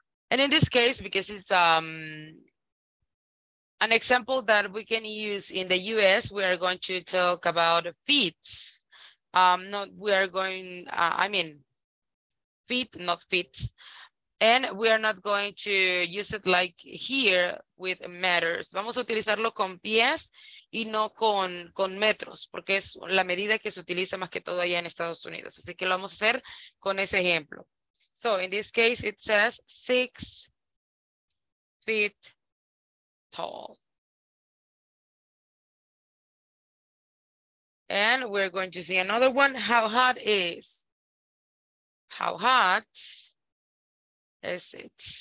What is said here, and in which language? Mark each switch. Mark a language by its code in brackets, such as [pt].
[en] And in this case, because it's an example that we can use in the US, we are going to talk about feet. Not feet. And we are not going to use it like here with meters. [es] Vamos a utilizarlo con pies y no con, con metros, porque es la medida que se utiliza más que todo allá en Estados Unidos. Así que lo vamos a hacer con ese ejemplo. [en] So in this case, it says 6 feet tall. And we're going to see another one. How hot is? How hot is it?